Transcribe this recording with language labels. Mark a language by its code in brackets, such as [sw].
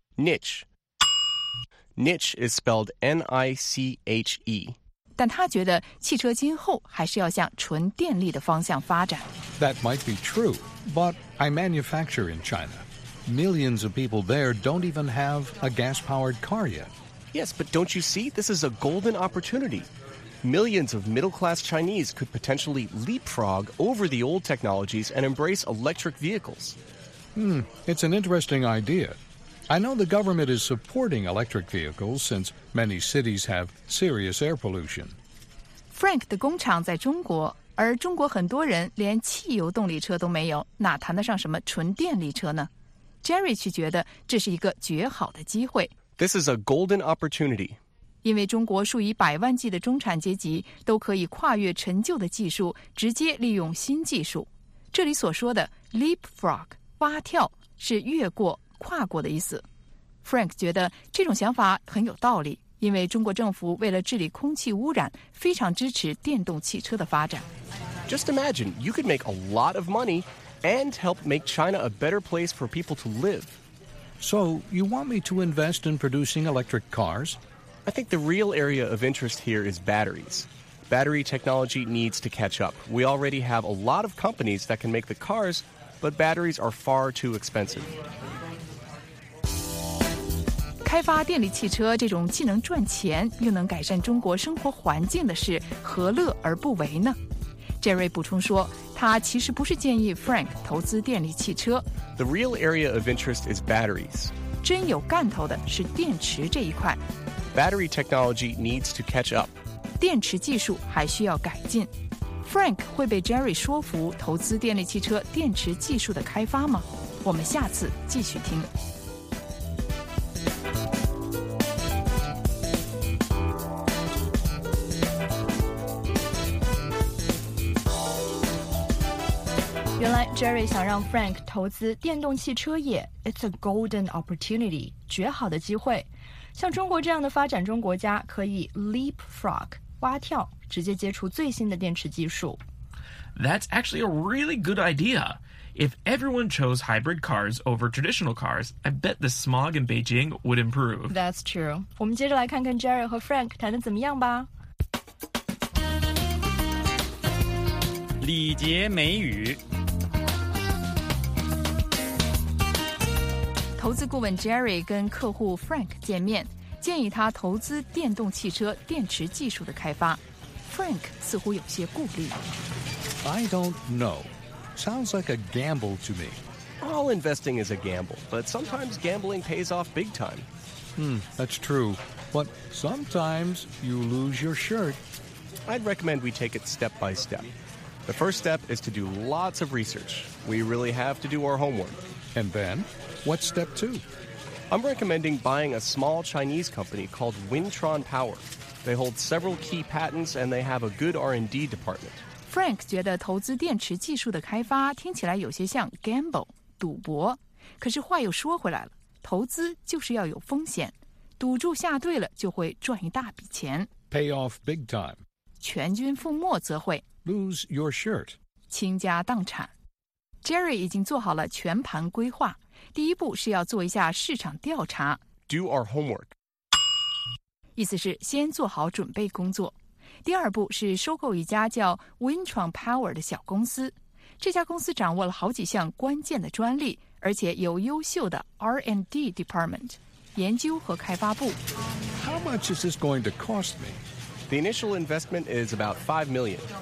[en] Niche. Niche is spelled N-I-C-H-E. [zh] 但他觉得汽车今后还是要向纯电力的方向发展。 [en] That might be true, but I manufacture in China. Millions of people there don't even have a gas-powered car yet. Yes, but don't you see? This is a golden opportunity. Millions of middle-class Chinese could potentially leapfrog over the old technologies and embrace electric vehicles. It's an interesting idea. I know the government is supporting electric vehicles since many cities have serious air pollution. [zh] Frank 的工厂在中国，而中国很多人连汽油动力车都没有，哪谈得上什么纯电力车呢？ Jerry 却觉得这是一个绝好的机会。 [en] This is a golden opportunity. [zh] 因为中国数以百万计的中产阶级都可以跨越陈旧的技术，直接利用新技术。这里所说的 leapfrog 蛙跳是越过、跨过的意思。 Frank 觉得这种想法很有道理，因为中国政府为了治理空气污染，非常支持电动汽车的发展。 [en] Just imagine, you could make a lot of money and help make China a better place for people to live. So, you want me to invest in producing electric cars? I think the real area of interest here is batteries. Battery technology needs to catch up. We already have a lot of companies that can make the cars, but batteries are far too expensive. [zh] 开发电力汽车这种既能赚钱又能改善中国生活环境的事，何乐而不为呢？ Jerry 补充说，他其实不是建议 Frank 投资电力汽车。 [en] The real area of interest is batteries. [zh] 真有干头的是电池这一块。 [en] Battery technology needs to catch up. [zh] 电池技术还需要改进。 Frank 会被 Jerry 说服投资电力汽车电池技术的开发吗？我们下次继续听。 Jerry 想让 Frank 投资电动汽车业 [en] It's a golden opportunity [zh] 绝好的机会像中国这样的发展中国家可以 leapfrog 蛙跳直接接触最新的电池技术 [en] That's actually a really good idea If everyone chose hybrid cars over traditional cars I bet the smog in Beijing would improve That's true [zh] 我们接着来看看 Jerry 和 Frank 谈得怎么样吧礼节美语投资顾问 Jerry 跟客户 Frank 见面建议他投资电动汽车电池技术的开发 Frank 似乎有些顾虑 [en] I don't know Sounds like a gamble to me All investing is a gamble But sometimes gambling pays off big time That's true But sometimes you lose your shirt I'd recommend we take it step by stepThe first step is to do lots of research. We really have to do our homework. And then, what's step two? I'm recommending buying a small Chinese company called Wintron Power. They hold several key patents and they have a good R&D department. [zh] Frank 觉得投资电池技术的开发听起来有些像 gamble, 赌博。可是话又说回来了，投资就是要有风险。赌注下对了就会赚一大笔钱。 [en] Pay off big time. [zh] 全军覆没则会。 [en] Lose your shirt. [zh] 倾家荡产。 Jerry 已经做好了全盘规划。第一步是要做一下市场调查。 [en] Do our homework. [zh] 意思是先做好准备工作。第二步是收购一家叫 Wintron Power 的小公司。这家公司掌握了好几项关键的专利，而且有优秀的 R&D department, 研究和开发部。 [en] How much is this going to cost me? The initial investment is about $5 million.